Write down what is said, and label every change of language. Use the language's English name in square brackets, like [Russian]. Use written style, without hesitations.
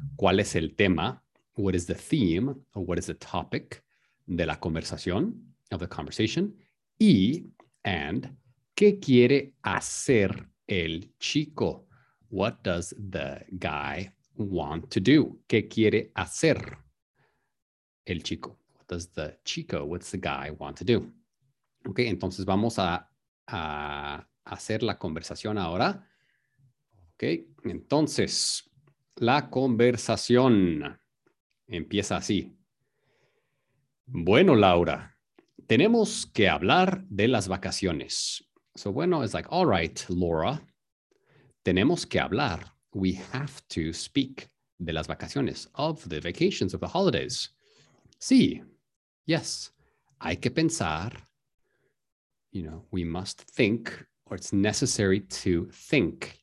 [Spanish] ¿Cuál es el tema? [English] What is the theme? Or what is the topic [Spanish] de la conversación? [English] Of the conversation. [Spanish] And ¿qué quiere hacer el chico? [English] What does the guy want to do? [Spanish] ¿Qué quiere hacer el chico? [English] What does the chico, what's the guy want to do? [Spanish] Ok, entonces vamos a hacer la conversación ahora. Okay, entonces la conversación empieza así. Bueno, Laura, tenemos que hablar de las vacaciones. [English] So bueno, it's like, all right, Laura, [Spanish] tenemos que hablar. [English] We have to speak [Spanish] de las vacaciones, [English] of the vacations, of the holidays. [Spanish] Sí, yes, hay que pensar. [English] You know, we must think. Or it's necessary to think.